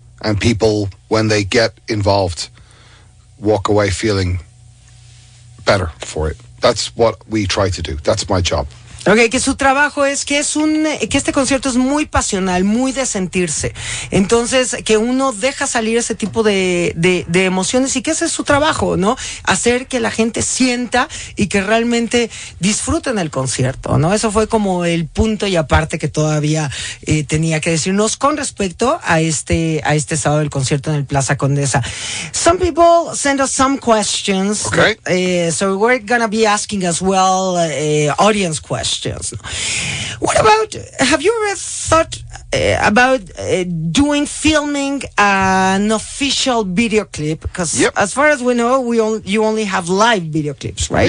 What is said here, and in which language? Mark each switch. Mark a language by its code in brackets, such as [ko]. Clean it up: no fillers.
[en] And people, when they get involved, walk away feeling better for it. That's what we try to do. That's my job. [es] Okay, que su trabajo es que este concierto es muy pasional, muy de sentirse. Entonces, que uno deja salir ese tipo de emociones, y que ese es su trabajo, ¿no? Hacer que la gente sienta y que realmente disfruten el concierto, ¿no? Eso fue como el punto y aparte que todavía tenía que decirnos con respecto a este sábado del concierto en el Plaza Condesa. [en] Some people send us some questions. Okay. So we're gonna be asking as well audience questions. What about, have you ever thought about doing filming an official video clip? Because yep. As far as we know, you only have live video clips, right?